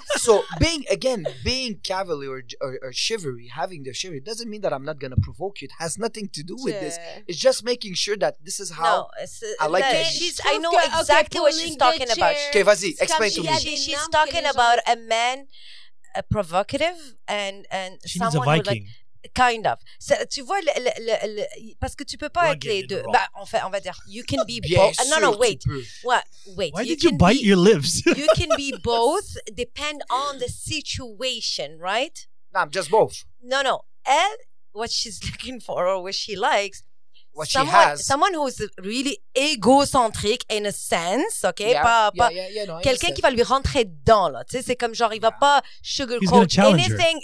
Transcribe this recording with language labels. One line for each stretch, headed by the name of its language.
English: So being cavalier or chivalry, having the chivalry, doesn't mean that I'm not gonna provoke you. It has nothing to do with this. It's just making sure that this is how I know exactly what she's talking about. Okay,
French: vas-y,
English: explain to me. She's talking about a man, a provocative and she someone needs a Viking. Who, like. Kind of.
French: So, tu vois, le, parce que tu peux pas être les deux. Bah, on va dire,
English: you can be both. No, wait. What? Wait. Why did you bite your lips? You can be both, depend on the situation, right? No, I'm just both. No. And what she's looking for or what she likes. What someone, she has. Someone who's really egocentric in a sense, okay? Yeah,
French: Quelqu'un qui va lui rentrer dedans, là. Tu sais, c'est comme genre, il va pas
English: sugarcoat anything.